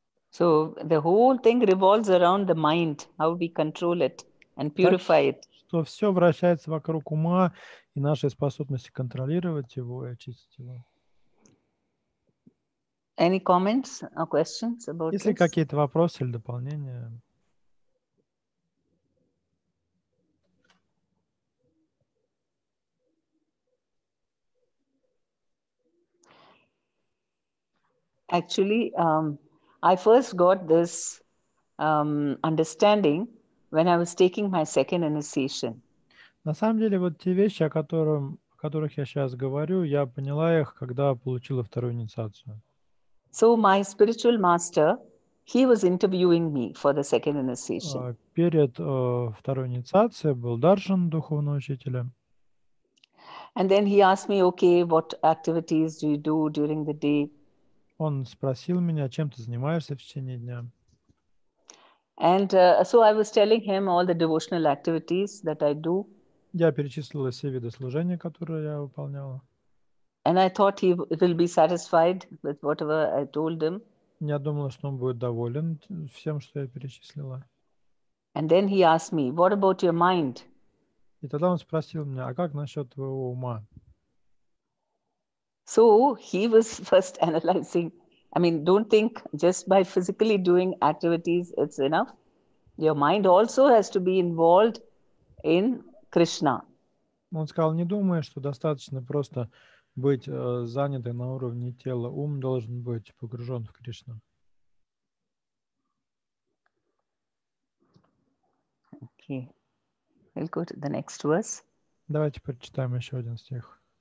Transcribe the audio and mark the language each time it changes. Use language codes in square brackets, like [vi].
[en] So the whole thing revolves around the mind, how we control it and purify it. [ru] Что все вращается вокруг ума и нашей способности контролировать его и очистить его. [en] Any comments or questions about this? [ru] Если какие-то вопросы или дополнения... [en] Actually, I first got this understanding when I was taking my second initiation. [ru] На самом деле, вот те вещи, о которых я сейчас говорю, я поняла их, когда получила вторую инициацию. [en] So my spiritual master, he was interviewing me for the second initiation. [ru] Перед второй инициацией был даршан духовного учителя. [en] And then he asked me, okay, what activities do you do during the day? [ru] Он спросил меня, чем ты занимаешься в течение дня. [en] And so I was telling him all the devotional activities that I do. [ru] Я перечислила все виды служения, которые я выполняла. [en] And I thought he will be satisfied with whatever I told him. [ru] Я думала, что он будет доволен всем, что я перечислила. [en] And then he asked me, what about your mind? [ru] И тогда он спросил меня, а как насчет твоего ума? [en] So he was first analyzing. I mean, don't think just by physically doing activities it's enough. Your mind also has to be involved in Krishna. [ru] Он сказал, не думай, что достаточно просто быть занятым на уровне тела. Ум должен быть погружен в Кришну. [en] Okay. We'll go to the next verse. [ru] Давайте прочитаем еще один стих.